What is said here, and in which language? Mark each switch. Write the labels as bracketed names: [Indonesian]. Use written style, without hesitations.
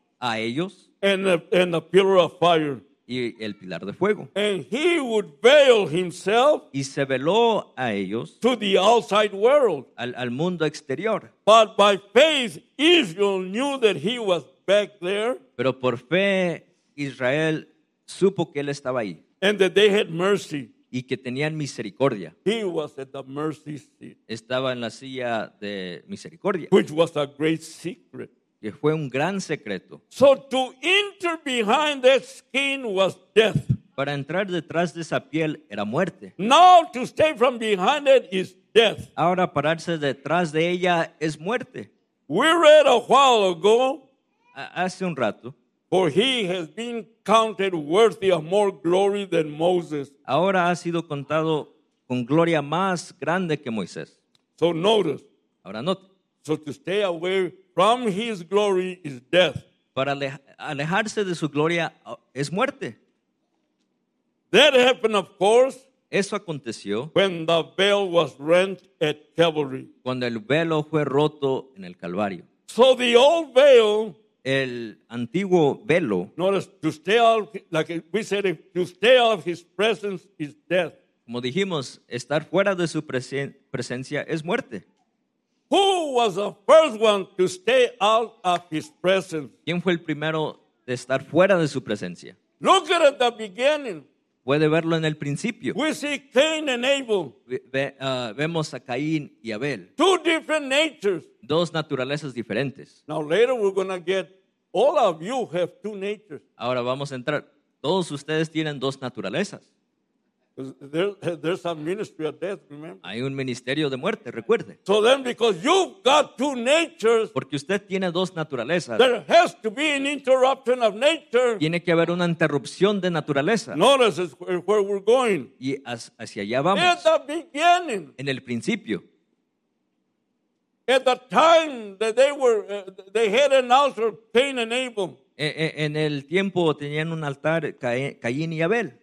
[Spanish] A ellos. [English] And a pillar of fire. [Spanish] Y el pilar de fuego. [English] And he would veil himself. [Spanish] Y se veló a ellos. [English] To the outside world. [Spanish] Al mundo exterior. [English] But by faith Israel knew that he was back there. [Spanish] Pero por fe Israel supo que él estaba ahí. [English] And that they had mercy. [Spanish] Y que tenían misericordia. [English] He was at the mercy seat. [Spanish] Estaba en la silla de misericordia. [English] Which was a great secret. [Spanish] Que fue un gran secreto. [English] So to enter behind that skin was death. [Spanish] Para entrar detrás de esa piel era muerte. [English] Now to stay from behind it is death. [Spanish] Ahora pararse detrás de ella es muerte. [English] We read a while ago. [Spanish] Hace un rato, [English] For he has been counted worthy of more glory than Moses. [Spanish] Ahora ha sido contado con gloria más grande que Moisés. [English] So notice. [Spanish] Ahora note. [English] So to stay away from his glory is death. [Spanish] Para alejarse de su gloria es muerte. [English] That happened, of course. [Spanish] Eso aconteció. [English] When the veil was rent at Calvary. [Spanish] Cuando el velo fue roto en el Calvario. [English] So the old veil. [Spanish] El antiguo velo. [English] Notice, to stay out, like we said, to stay out of his presence is death. [Spanish] Como dijimos, estar fuera de su presencia es muerte. [English] Who was the first one to stay out of his presence? [Spanish] ¿Quién fue el primero de estar fuera de su presencia? [English] Look at the beginning. [Spanish] Puede verlo en el principio. [English] We see Cain and Abel. [Spanish] Vemos a Caín y Abel. [English] Two different natures. [Spanish] Dos naturalezas diferentes. [English] Now later we're going to get all of you have two natures. [Spanish] Ahora vamos a entrar. Todos ustedes tienen dos naturalezas. [English] There's a ministry of death, remember? [Spanish] Hay un ministerio de muerte, recuerde. [English] So then because you've got two natures, [Spanish] porque usted tiene dos naturalezas, [English] there has to be an interruption of nature. [Spanish] Tiene que haber una interrupción de naturaleza. [English] Notice where we're going. [Spanish] Y hacia allá vamos. [English] At the beginning. [Spanish] En el principio. [English] At the time that they had an altar, Cain and Abel. [Spanish] En el tiempo tenían un altar Caín y Abel.